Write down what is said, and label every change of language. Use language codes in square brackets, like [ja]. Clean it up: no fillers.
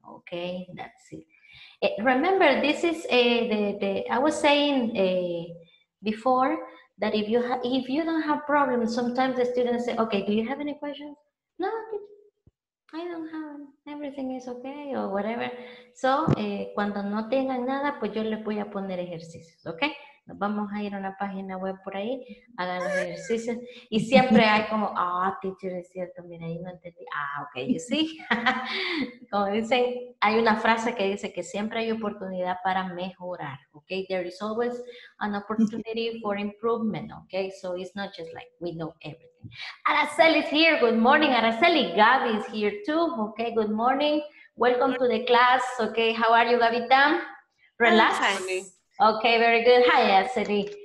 [en] Okay, that's it. Remember, this is I was saying before that if you don't have problems, sometimes the students say, okay, do you have any questions? No, I don't have everything is okay or whatever. [es] So, cuando no tengan nada, pues yo les voy a poner ejercicios, ¿ok? Nos vamos a ir a una página web por ahí, hagan ejercicios. Y siempre hay como, ah, oh, teacher, es cierto, mira, ahí no entendí. [en] Ah, ok, you see. [es] Como dicen, hay una frase que dice que siempre hay oportunidad para mejorar, ¿ok? [en] There is always an opportunity for improvement, ¿ok? So it's not just like we know everything. Araceli is here, good morning, Araceli. Gaby is here too, ¿ok? Good morning. Welcome to the class, ¿ok? How are you, Gavita? Relax. Okay, very good. Hi, Araceli.